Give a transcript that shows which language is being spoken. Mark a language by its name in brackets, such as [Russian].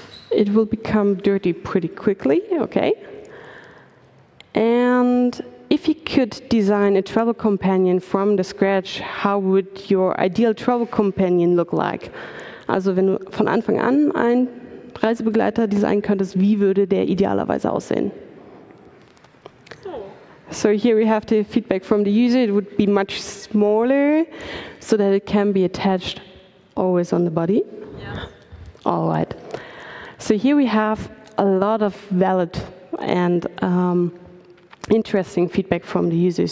[English] It will become dirty pretty quickly, okay. And if you could design a travel companion from the scratch, how would your ideal travel companion look like? [German] Also wenn du von Anfang an ein Reisebegleiter designen könntest, wie würde der idealerweise aussehen? [English] So here we have the feedback from the user. It would be much smaller so that it can be attached always on the body. Yeah. All right. So here we have a lot of valid and interesting feedback from the users.